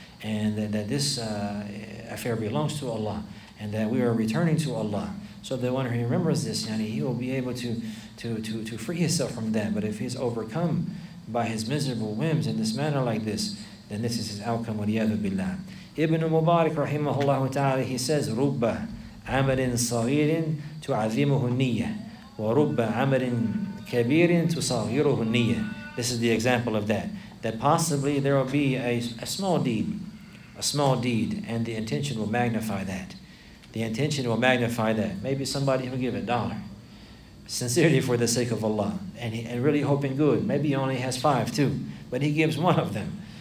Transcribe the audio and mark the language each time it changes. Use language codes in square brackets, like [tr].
[en] And that this affair belongs to Allah. And that we are returning to Allah. So the one who remembers this, he will be able to free himself from that. But if he's overcome by his miserable whims in this manner like this, then this is his outcome, waliyadu billah. Ibn Mubarak, rahimahullah ta'ala, he says, rubba. [ar] عَمَلٍ صَغِيرٍ تُعَذِّمُهُ النِّيَّةِ وَرُبَّ عَمَلٍ كَبِيرٍ تُصَغِيرُهُ النِّيَّةِ [en] This is the example of that. That possibly there will be a small deed, and the intention will magnify that. Maybe somebody will give a dollar. Sincerely for the sake of Allah. And really hoping good. Maybe he only has five too. But he gives one of them.